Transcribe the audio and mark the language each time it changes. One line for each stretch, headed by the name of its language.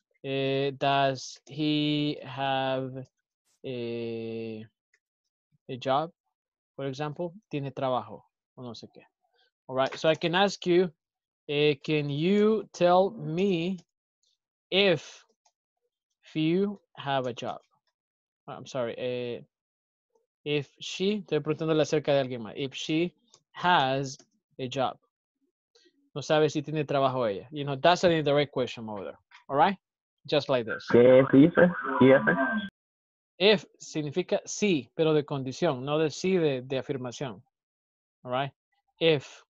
English: Does he have a job, for example?
Spanish: ¿Tiene trabajo? O no sé qué.
English: All right, so I can ask you, can you tell me if you have a job? I'm sorry. If she,
Spanish: estoy preguntándole acerca de alguien más.
English: If she has a job.
Spanish: No sabe si tiene trabajo ella.
English: You know, that's an indirect question over there. All right? Just like this.
Spanish: ¿Qué dice? ¿Qué? If significa sí, pero de condición. No de sí, de afirmación.
English: All right?
Spanish: If.